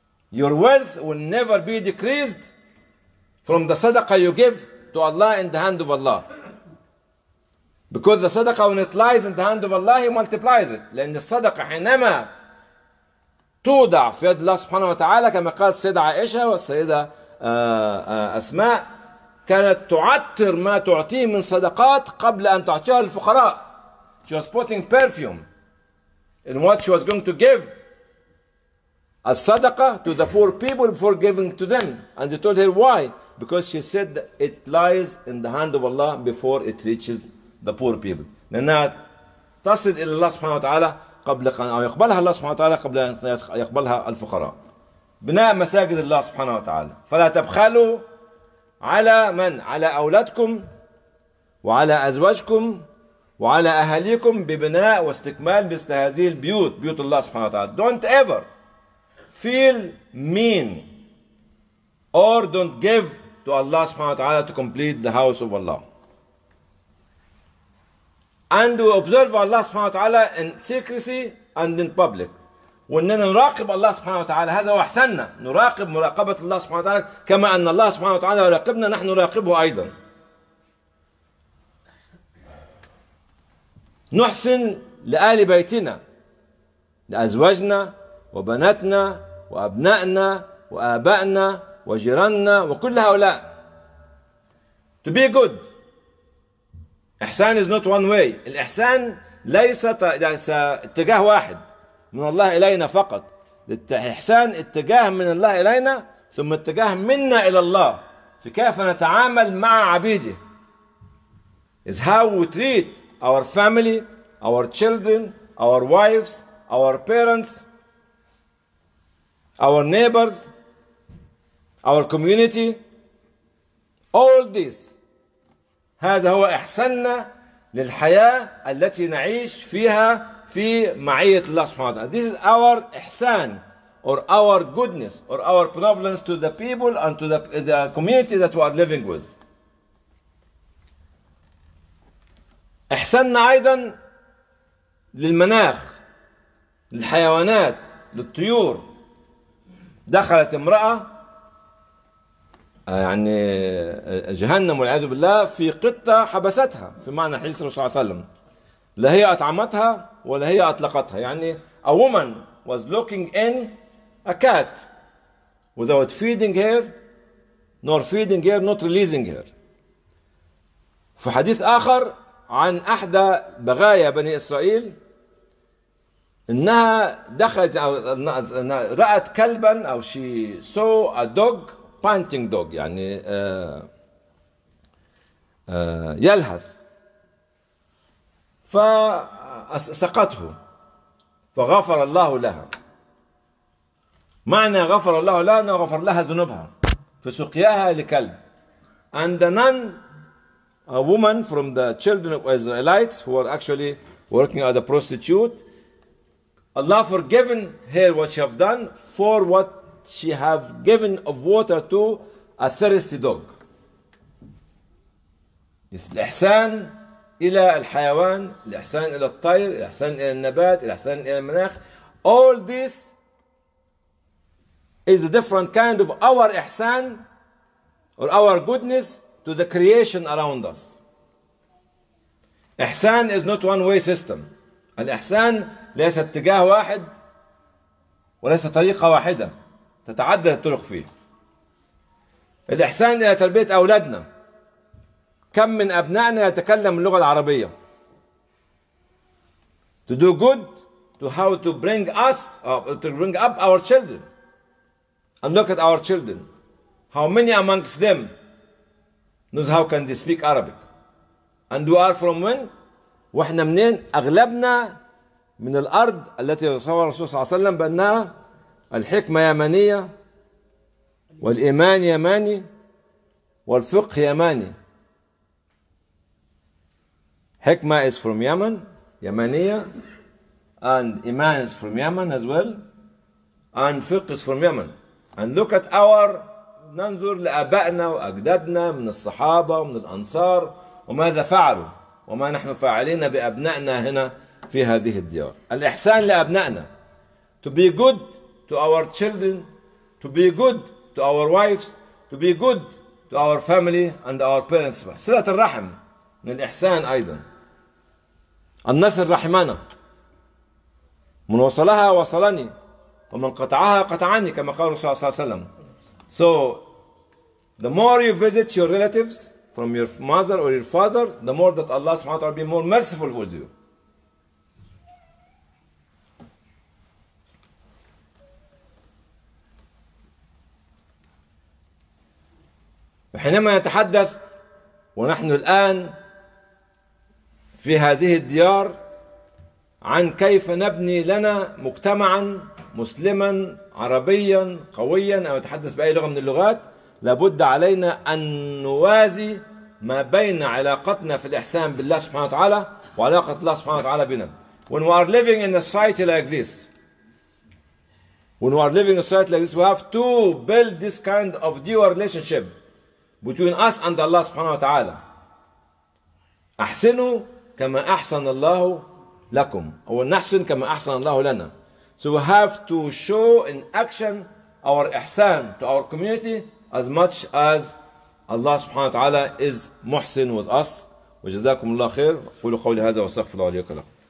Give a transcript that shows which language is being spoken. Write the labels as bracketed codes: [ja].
[en] Your wealth will never be decreased from the صدقة you give to Allah in the hand of Allah. Because the صدقة when it lies in the hand of Allah, He multiplies it. [ar] لأن الصدقة حينما تودع في يد الله سبحانه وتعالى كما قال السيدة عائشة والسيدة أسماء كانت تعطر ما تعطيه من صدقات قبل أن تعطيها للفقراء. [en] She was putting perfume in what she was going to give as صدقة to the poor people before giving to them. And they told her why? Because she said it lies in the hand of Allah before it reaches the poor people. [ar] لأنها تصل إلى الله سبحانه وتعالى قبل أو يقبلها الله سبحانه وتعالى قبل أن يقبلها الفقراء. بناء مساجد الله سبحانه وتعالى. فلا تبخلوا على من؟ على أولادكم وعلى أزواجكم وعلى أهليكم ببناء واستكمال مثل هذه البيوت, بيوت الله سبحانه وتعالى. [en] Don't ever feel mean or don't give to Allah [ar] سبحانه وتعالى [en] to complete the house of Allah. And we observe Allah [ar] سبحانه وتعالى [en] in secrecy and in public. [ar] وأننا نراقب الله سبحانه وتعالى, هذا هو أحسننا, نراقب مراقبة الله سبحانه وتعالى كما أن الله سبحانه وتعالى يراقبنا نحن نراقبه أيضا. نحسن لآل بيتنا, لأزواجنا وبناتنا وأبنائنا وآبائنا وجيراننا وكل هؤلاء. [en] To be good, إحسان is not one way. [ar] الإحسان ليس اتجاه واحد من الله إلينا فقط. الإحسان اتجاه من الله إلينا ثم اتجاه منا إلى الله في كيف نتعامل مع عبيده. [en] Is how we treat our family, our children, our wives, our parents, our neighbors, our community. All this. [ar] هذا هو إحساننا للحياة التي نعيش فيها في معية الله سبحانه وتعالى. [en] This is our إحسان or our goodness or our benevolence to the people and to the community that we are living with. [ar] إحساننا أيضا للمناخ، للحيوانات، للطيور. دخلت امرأة يعني جهنم والعياذ بالله في قطة حبستها، في معنى حديث الرسول صلى الله عليه وسلم، لا هي أطعمتها ولا هي أطلقتها. [en] يعني a woman was looking in a cat without feeding her nor feeding her not releasing her. [ar] في حديث آخر عن أحدى بغايا بني إسرائيل إنها دخلت أو رأت كلبا أو [en] she saw a dog panting dog [ar] يعني يلهث فسقته فغفر الله لها. معنى غفر الله لها أنه غفر لها ذنوبها فسقياها لكلب. [en] And the nun, a woman from the children of Israelites who are actually working as a prostitute, Allah forgiven her what she have done for what she have given of water to a thirsty dog. [ar] This الإحسان إلى الحيوان، الإحسان إلى الطير، الإحسان إلى النبات، الإحسان إلى المناخ. [en] All this is a different kind of our إحسان or our goodness to the creation around us. إحسان is not one way system. [ar] الإحسان ليس اتجاه واحد وليس طريقة واحدة تتعدد الطرق فيه. الإحسان إلى تربية أولادنا، كم من أبنائنا يتكلم اللغة العربية. [en] To do good to how to bring us to bring up our children and look at our children, how many amongst them knows how can they speak Arabic and we are from when. [ar] وإحنا منين؟ أغلبنا من الأرض التي صور الرسول صلى الله عليه وسلم بأنها الحكمة يمانية والإيمان يماني والفقه يماني. [en] حكمة is from Yemen, يمانية, and إيمان is from Yemen as well, and فقه is from Yemen. And look at our, [ar] ننظر لأبائنا وأجدادنا من الصحابة ومن الأنصار وماذا فعلوا وما نحن فاعلين بأبنائنا هنا في هذه الديار. الإحسان لأبنائنا. [en] To be good to our children, to be good to our wives, to be good to our family and our parents. [ar] صلة الرحم من الإحسان أيضا. النسر رحمنا. من وصلها وصلني ومن قطعها قطعني كما قال رسول الله صلى الله عليه وسلم. [en] So the more you visit your relatives from your mother or your father, the more that Allah [ar] subhanahu wa ta'ala [en] will be more merciful for you. [ar] حينما نتحدث ونحن الآن في هذه الديار عن كيف نبني لنا مجتمعا مسلما عربيا قويا أو نتحدث بأي لغة من اللغات، لابد علينا أن نوازي ما بين علاقتنا في الإحسان بالله سبحانه وتعالى وعلاقة الله سبحانه وتعالى بنا. [en] When we are living in a society like this, when we are living in a society like this, we have to build this kind of dual relationship between us and Allah [ar] subhanahu wa ta'ala. أحسنوا كما أحسن الله لكم أو نحسن كما أحسن الله لنا. [en] So we have to show in action our إحسان to our community as much as Allah [ar] subhanahu wa ta'ala [en] is محسن with us. [ar] وجزاكم الله خير. قولوا قولي هذا واستغفر الله لي ولكم.